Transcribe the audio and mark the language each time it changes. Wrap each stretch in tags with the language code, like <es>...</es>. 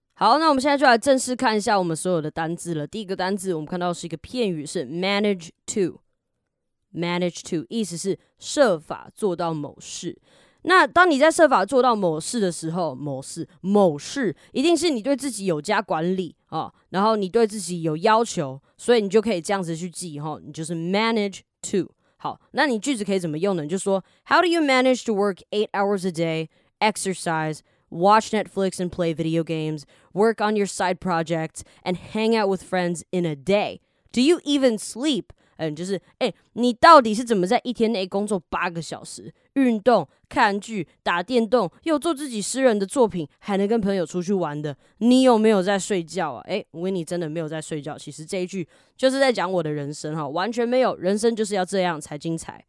<zh>好，那我们现在就来正式看一下我们所有的单字了。第一个单字我们看到是一个片语，是 manage to。 manage to 意思是设法做到某事。那当你在设法做到某事的时候，某事一定是你对自己有加管理、哦、然后你对自己有要求，所以你就可以这样子去记、哦、你就是 manage to。好，那你句子可以怎么用呢？就说</zh> <en>How do you manage to work 8 hours a day, exercise, watch Netflix and play video games, work on your side projects, and hang out with friends in a day? Do you even sleep?</en> <zh>嗯，就是欸，你到底是怎么在一天内工作八个小时，运动、看剧、打电动，又做自己私人的作品，还能跟朋友出去玩的？你有没有在睡觉啊？欸，维尼真的没有在睡觉。其实这一句就是在讲我的人生哈，完全没有，人生就是要这样才精彩。</zh>